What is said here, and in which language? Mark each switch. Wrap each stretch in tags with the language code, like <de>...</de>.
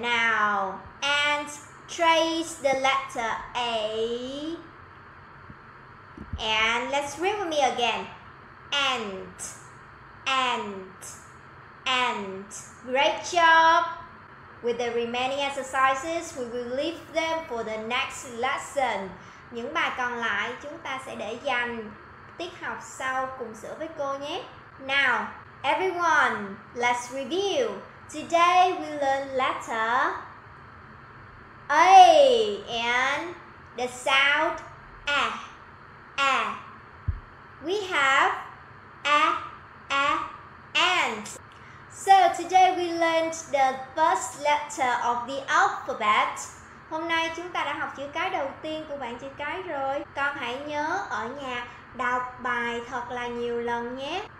<en>Now, ant. Trace the letter A. And let's read with me again. Ant. Ant. Ant. Great job. With the remaining exercises, we will leave them for the next lesson.</en> <vi>Những bài còn lại chúng ta sẽ để dành tiết học sau cùng sửa với cô nhé.</vi> <en>Now, everyone, let's review. Today we learn letter A and the sound A. A. We have A, A, and. So today we learned the first letter of the alphabet.</en> <vi>Hôm nay chúng ta đã học chữ cái đầu tiên của bảng chữ cái rồi. Con hãy nhớ ở nhà đọc bài thật là nhiều lần nhé.</vi>